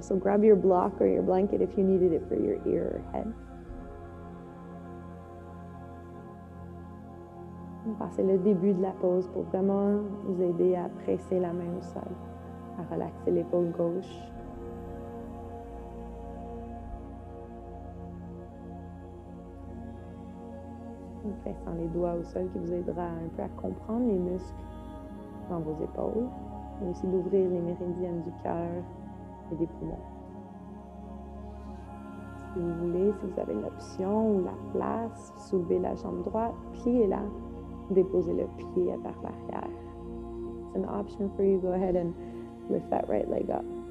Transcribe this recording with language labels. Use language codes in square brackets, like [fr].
[en] So grab your block or your blanket if you needed it for your ear or head. [fr] Passez le début de la pause pour vraiment vous aider à presser la main au sol, à relaxer l'épaule gauche. Pressant les doigts au sol qui vous aidera un peu à comprendre les muscles dans vos épaules, mais aussi d'ouvrir les méridiennes du cœur et des poumons. Si vous voulez, si vous avez l'option ou la place, soulevez la jambe droite, pliez-la, déposez le pied vers l'arrière. [en] It's an option for you, go ahead and lift that right leg up.